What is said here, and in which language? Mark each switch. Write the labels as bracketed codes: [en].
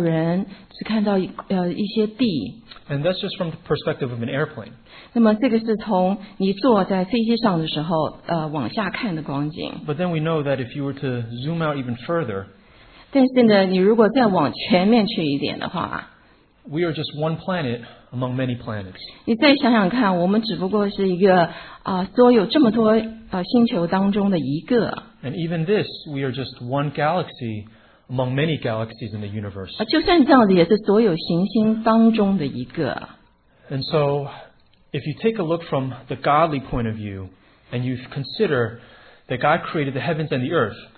[zh] 我本来是非常害怕飞行的，当我坐在飞机上的时候，往下看，我就看到所有的一切都变得非常的渺小，看不到人，只看到一些地。 [en] And that's just from the perspective of an airplane. [zh] 那么这个是从你坐在飞机上的时候，往下看的光景。 [en] But then we know that if you were to zoom out even further, [zh] 但是呢，你如果再往前面去一点的话， [en] we are just one planet among many planets. [zh] 你再想想看，我们只不过是一个所有这么多星球当中的一个。 [en] And even this, we are just one galaxy among many galaxies in the universe. [zh] 就算这样子，也是所有行星当中的一个。 [en] And so, if you take a look from the godly point of view, and you consider that God created the heavens and the earth,